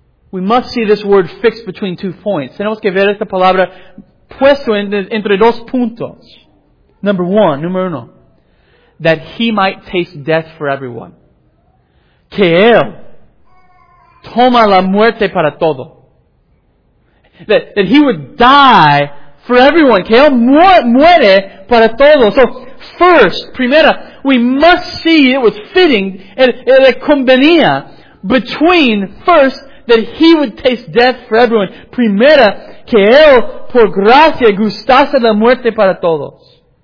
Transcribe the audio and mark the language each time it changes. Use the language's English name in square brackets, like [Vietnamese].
[English] We must see this word fixed between two points. [Spanish] Tenemos que ver esta palabra puesto entre dos puntos. Número uno. [English] That he might taste death for everyone. [Spanish] Que él toma la muerte para todo. [English] That he would die for everyone. [Spanish] Que él muere para todo. [English] So, primera, we must see it was fitting, it convenía between, first, that he would taste death for everyone. [Spanish] Primera, que él, por gracia, gustase la muerte para todos.